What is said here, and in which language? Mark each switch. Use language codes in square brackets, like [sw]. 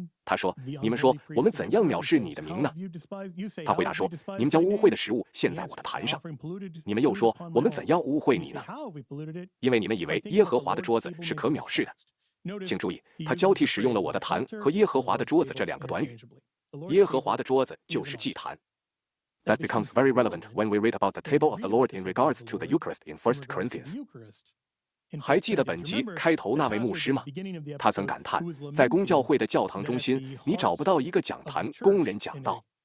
[zh] 他说，你们说，我们怎样藐视你的名呢？他回答说，你们将污秽的食物献在我的坛上。你们又说，我们怎样污秽你呢？因为你们以为耶和华的桌子是可藐视的。请注意，他交替使用了我的坛和耶和华的桌子这两个短语。耶和华的桌子就是祭坛。 [en] That becomes very relevant when we read about the table of the Lord in regards to the Eucharist in 1 Corinthians. [zh] 还记得本集开头那位牧师吗？他曾感叹，在公教会的教堂中心，你找不到一个讲坛供人讲道。